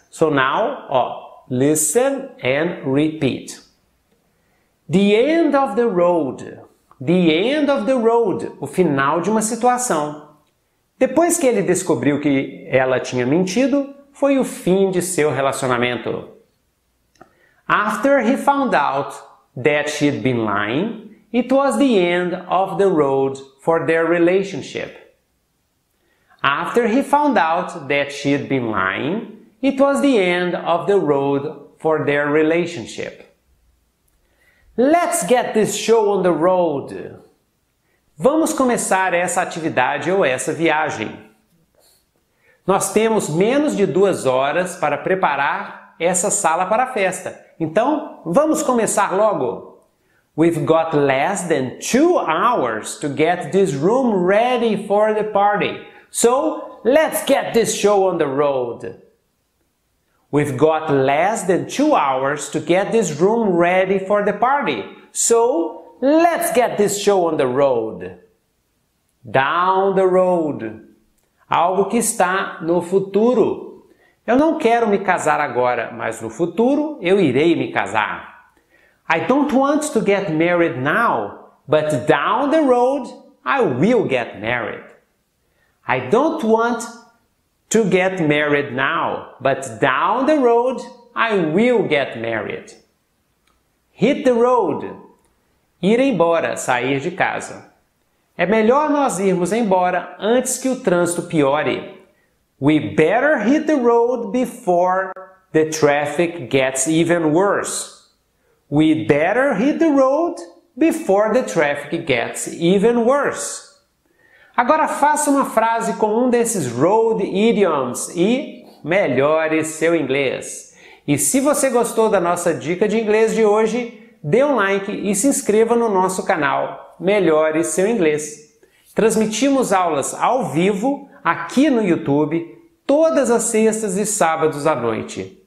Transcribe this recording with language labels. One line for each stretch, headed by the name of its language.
English: So now, listen and repeat. The end of the road. The end of the road.
Portuguese: O final de uma situação. Depois que ele descobriu que ela tinha mentido, foi o fim de seu relacionamento.
English: After he found out that she'd been lying, it was the end of the road for their relationship. After he found out that she'd been lying, it was the end of the road for their relationship. Let's get this show on the road.
Portuguese: Vamos começar essa atividade ou essa viagem. Nós temos menos de 2 horas para preparar essa sala para a festa. Então, vamos começar logo.
English: We've got less than 2 hours to get this room ready for the party. So, let's get this show on the road. We've got less than 2 hours to get this room ready for the party. So, let's get this show on the road. Down the road.
Portuguese: Algo que está no futuro. Eu não quero me casar agora, mas no futuro eu irei me casar.
English: I don't want to get married now, but down the road, I will get married. I don't want to get married now, but down the road, I will get married. Hit the road.
Portuguese: Ir embora, sair de casa. É melhor nós irmos embora antes que o trânsito piore.
English: We better hit the road before the traffic gets even worse. We better hit the road before the traffic gets even worse.
Portuguese: Agora faça uma frase com um desses road idioms e melhore seu inglês. E se você gostou da nossa dica de inglês de hoje, dê um like e se inscreva no nosso canal Melhore Seu Inglês. Transmitimos aulas ao vivo aqui no YouTube todas as sextas e sábados à noite.